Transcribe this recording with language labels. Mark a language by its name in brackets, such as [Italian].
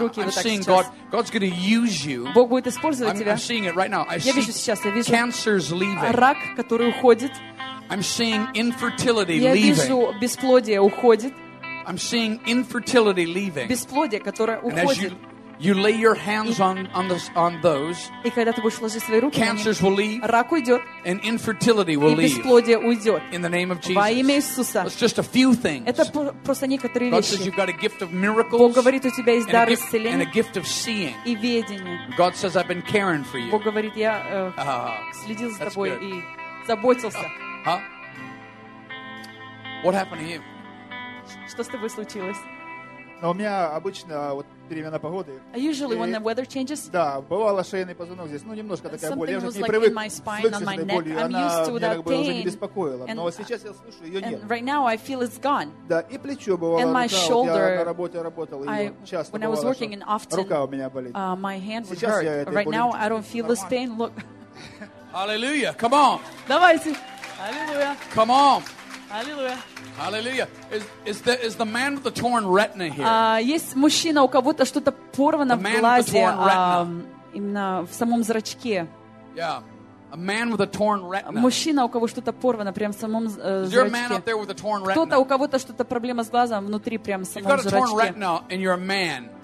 [Russian] Руки [English] I'm [Russian] вот [English] seeing [Russian] сейчас. [English] God's going to use you. [Russian] Бог будет использовать [English] I'm, [Russian] тебя. [English] I'm seeing it right now. [Russian] Я вижу сейчас. Я вижу. [English] Cancer's leaving. [Russian] Рак, который уходит. [English] I'm seeing infertility [Russian] я [English] leaving. [Russian] Я вижу бесплодие уходит. [English] I'm seeing infertility leaving. [Russian] Бесплодие, которое уходит. [English] And as you lay your hands on those, [Russian] и когда ты будешь ложить свои руки, [English] cancers will leave. [Russian] Рак уйдет. [English] And infertility will leave. [Russian] И бесплодие уйдет. [English] In the name of Jesus. [Russian] Во имя Иисуса. [English] It's just a few things. [Russian] Это просто некоторые вещи. [English] God says you've got a gift of miracles. [Russian] Бог говорит, у тебя есть дар исцеления. [English] And a gift of seeing. [Russian] И видение. [English] God says I've been caring for you. [Russian] Бог говорит, я следил за тобой и заботился. Huh? [English] What happened to you? [Russian] Что с тобой случилось? Но у меня обычно вот перемена погоды. [English] Usually when the weather changes. [Russian] Да, бывало шейный позвонок здесь, ну немножко такая боль. Я уже не привык к шейной боли, она меня как бы уже не беспокоила. Но сейчас я слышу, ее нет. [English] Right now I feel it's gone. [Russian] Да, и плечо бывало. Я на работе работал и часто [English] when I was working and often. [Russian] Рука у меня болит. [English] My hand would hurt. [Russian] Сейчас я [English] Right now I don't feel this pain. Look. Hallelujah! Come on. [Russian] Давайте. [English] Hallelujah! Come on. Hallelujah! Hallelujah. Is the man with the torn retina here? [Russian] Есть мужчина, у кого-то что-то порвано в глазе, именно в самом зрачке. [English] Yeah. A man with a torn retina. [Russian] Мужчина, у кого что-то порвано прямо в самом зрачке. Кто-то, у кого-то что-то проблема с глазом внутри прямо в самом [English] You've got a [Russian] зрачке. [English] Torn retina and you're a man.